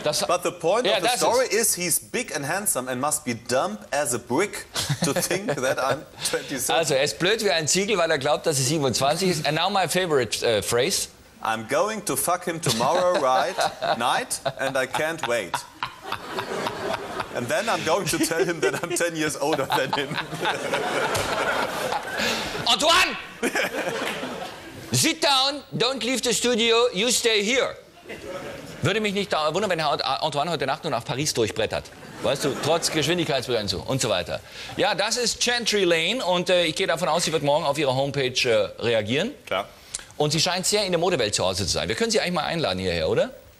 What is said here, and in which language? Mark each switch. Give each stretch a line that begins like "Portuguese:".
English: Das, but the point of the story is, he's big and handsome and must be dumb as a brick to think that I'm 27.
German: Also, er ist blöd wie ein Ziegel, weil er glaubt, dass er 27 ist.
English: And now my favorite phrase. I'm going to fuck him tomorrow night and I can't wait. And then I'm going to tell him that I'm 10 years older than him. Antoine! Sit down, don't leave the studio, you stay here.
German: Würde mich nicht wundern, wenn Herr Antoine heute Nacht nur nach Paris durchbrettert. Weißt du, trotz Geschwindigkeitsbegrenzung und so weiter. Ja, das ist Chantry Lane und ich gehe davon aus, sie wird morgen auf ihrer Homepage reagieren. Klar. Und sie scheint sehr in der Modewelt zu Hause zu sein. Wir können sie eigentlich mal einladen hierher, oder?